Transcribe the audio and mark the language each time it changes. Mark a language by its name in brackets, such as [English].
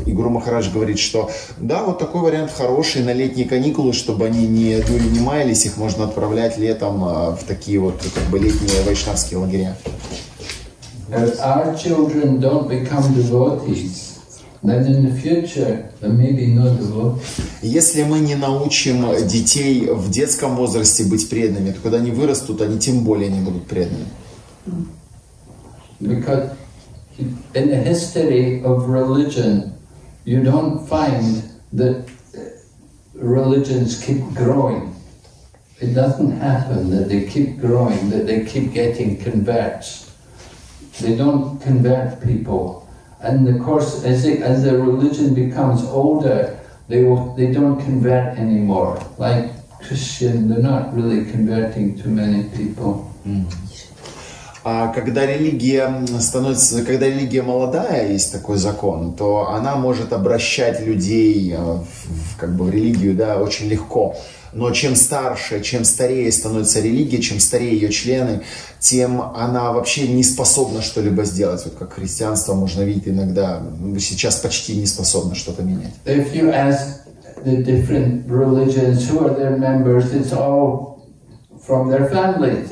[Russian] И Гуру Махарадж говорит, что да, вот такой вариант хороший на летние каникулы, чтобы они не маялись, их можно отправлять летом в такие вот как бы летние вайшнавские лагеря. [English] Our children don't become devotees. Then in the future, maybe not devotees. [Russian] Если мы не научим детей в детском возрасте быть преданными, то когда они вырастут, они тем более не будут преданными. [English] Because in the history of religion, you don't find that religions keep growing. It doesn't happen that they keep growing, that they keep getting converts. They don't convert people. And of course, as the religion becomes older, they don't convert anymore. Like Christian, they're not really converting too many people. [Russian] А когда религия становится, когда религия молодая, есть такой закон, то она может обращать людей в религию, да, очень легко. Но чем старше, чем старее становится религия, чем старее ее члены, тем она вообще не способна что-либо сделать. Вот как христианство можно видеть иногда, сейчас почти не способно что-то менять. [English] If you ask the different religions, who are their members, it's all from their families.